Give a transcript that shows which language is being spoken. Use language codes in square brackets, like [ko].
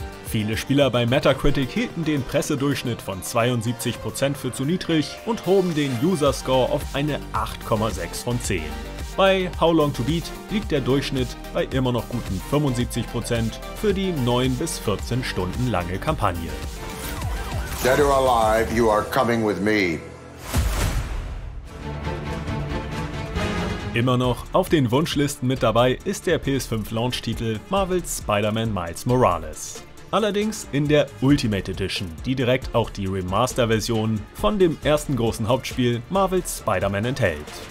[de] Viele Spieler bei Metacritic hielten den Pressedurchschnitt von 72% für zu niedrig und hoben den User-Score auf eine 8,6 von 10. Bei How Long to Beat liegt der Durchschnitt bei immer noch guten 75% für die 9 bis 14 Stunden lange Kampagne. [en] Dead or alive, you are coming with me. [de] Immer noch auf den Wunschlisten mit dabei ist der PS5-Launch-Titel Marvel's Spider-Man Miles Morales. Allerdings in der Ultimate Edition, die direkt auch die Remaster-Version von dem ersten großen Hauptspiel Marvel's Spider-Man enthält.